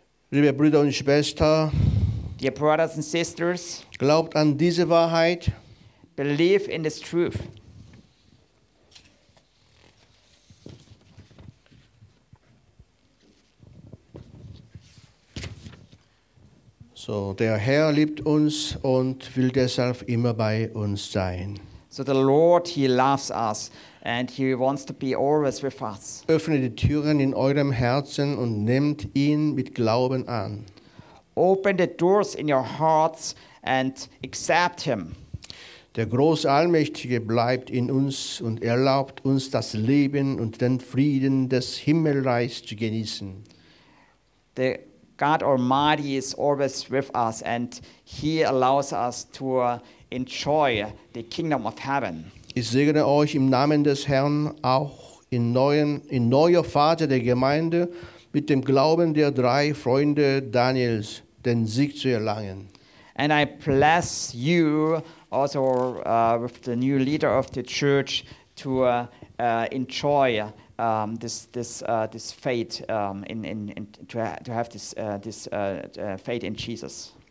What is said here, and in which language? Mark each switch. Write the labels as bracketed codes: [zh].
[de] Liebe Brüder und Schwestern, [en] dear brothers and sisters, [de] glaubt an diese Wahrheit. [en] Believe in this truth. [de] So, der Herr liebt uns und will deshalb immer bei uns sein. [en] So, the Lord, he loves us and he wants to be always with us. [de] Öffne die Türen in eurem Herzen und nehmt ihn mit Glauben an. [en] Open the doors in your hearts and accept him. [de] Der Großallmächtige bleibt in uns und erlaubt uns, das Leben und den Frieden des Himmelreichs zu genießen. [en] The God Almighty is always with us and he allows us to enjoy the kingdom of heaven. [de] Ich segne euch im Namen des Herrn auch in neuer Phase der Gemeinde mit dem Glauben der drei Freunde Daniels den Sieg zu erlangen. [en] And I bless you also with the new leader of the church to enjoy this faith in Jesus.